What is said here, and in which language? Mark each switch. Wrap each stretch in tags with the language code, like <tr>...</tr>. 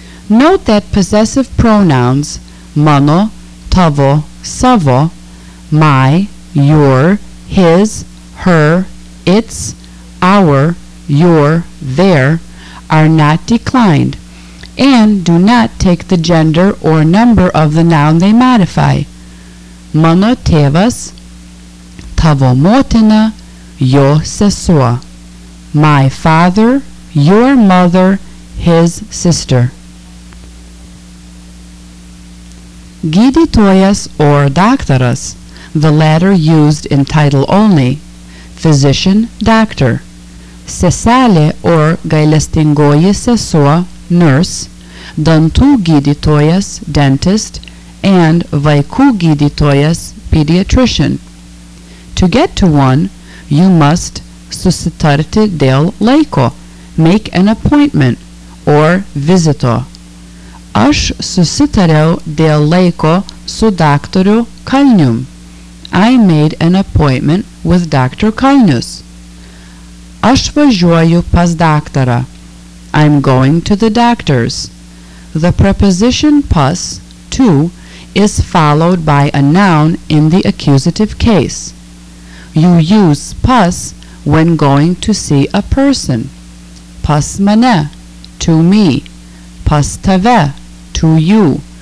<en>Note that possessive pronouns,</en> <lt>mano, tavo, savo,</lt> <en>my, your, his, her, its, our, your, their, are not declined, and do not take the gender or number of the noun they modify.</en> <lt>Mano tėvas, tavo motina, jo sesuo.</lt> <en>My father, your mother, his sister.</en> <lt>Gydytojas</lt> <en>or</en> <lt>daktaras,</lt> <en>the latter used in title only. Physician, doctor.</en> <lt>Seselė</lt> <en>or</en> <lt>gailestingoji sesuo,</lt> <en>nurse.</en> <lt>Dantų gydytojas,</lt> <en>dentist. And</en> <lt>vaikų gydytojas,</lt> <en>pediatrician. To get to one, you must</en> <lt>susitarti dėl laiko,</lt> <en>make an appointment, or</en> <lt>vizito. Aš susitariau dėl laiko su daktaru Kalnium.</lt> <en>I made an appointment with Dr. Kalnius.</en> <lt>Aš važiuoju pas daktarą.</lt> <en>I'm going to the doctors. The preposition pas, to, is followed by a noun in the accusative case. You use pas when going to see a person.</en> <lt>Pas mane,</lt> <en>to me.</en> <lt>Pas tave,</lt> <en>to you.</en>